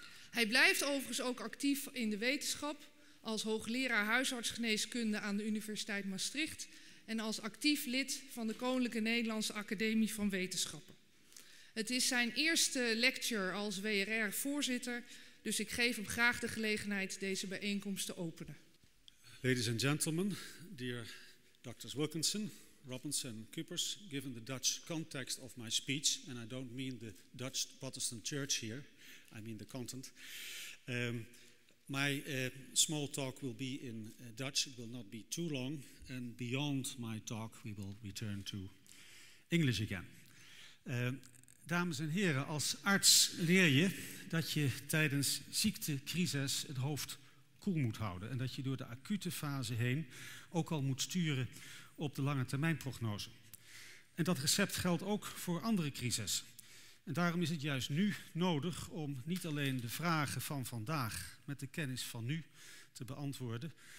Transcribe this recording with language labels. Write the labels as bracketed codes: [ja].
[nl] Hij blijft overigens ook actief in de wetenschap als hoogleraar huisartsgeneeskunde aan de Universiteit Maastricht en als actief lid van de Koninklijke Nederlandse Academie van Wetenschappen. Het is zijn eerste lecture als WRR-voorzitter, dus ik geef hem graag de gelegenheid deze bijeenkomst te openen. [en] Ladies and gentlemen, dear Drs. Wilkinson, Robinson, Kuipers, given the Dutch context of my speech, and I don't mean the Dutch Protestant Church here, I mean the content. My small talk will be in Dutch, it will not be too long, and beyond my talk we will return to English again. [nl] Dames en heren, als arts leer je dat je tijdens ziektecrisis het hoofd koel moet houden. En dat je door de acute fase heen ook al moet sturen op de lange termijn prognose. En dat recept geldt ook voor andere crises. En daarom is het juist nu nodig om niet alleen de vragen van vandaag met de kennis van nu te beantwoorden.